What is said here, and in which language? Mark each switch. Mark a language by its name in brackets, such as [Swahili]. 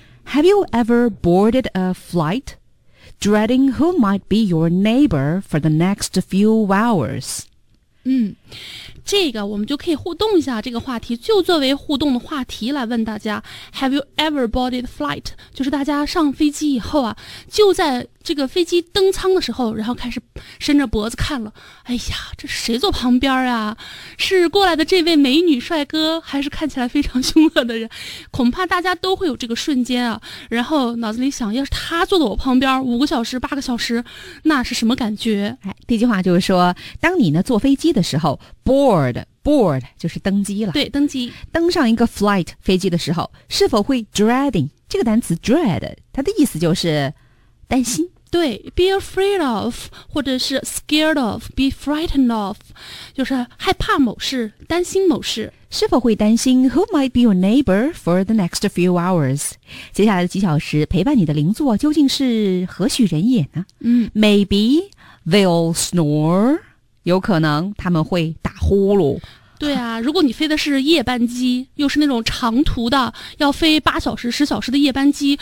[English] Have you ever boarded a flight, dreading who might be your neighbor for the next few hours? [Chinese] 这个我们就可以互动一下，这个话题就作为互动的话题来问大家。 [English] Have you ever boarded flight? [Chinese] 就是大家上飞机以后啊，就在这个飞机登舱的时候，然后开始伸着脖子看了，哎呀，这谁坐旁边啊？是过来的这位美女帅哥，还是看起来非常凶恶的人？恐怕大家都会有这个瞬间啊，然后脑子里想，要是他坐在我旁边5个小时、8个小时，那是什么感觉？哎，第一句话就是说，当你呢坐飞机的时候 board 就是登机了，对，登机，登上一个 flight 飞机的时候，是否会 dreading 这个单词 dread 它的意思就是担心，对， [English] be afraid of [Chinese] 或者是 [English] scared of, be frightened of [Chinese] 就是害怕某事，担心某事。是否会担心 [English] who might be your neighbor for the next few hours? [Chinese] 接下来的几小时陪伴你的邻座究竟是何许人也呢？ [English] Maybe they'll snore, [Chinese] 有可能他们会打呼噜。对啊，如果你飞的是夜班机，又是那种长途的，要飞8小时、10小时的夜班机，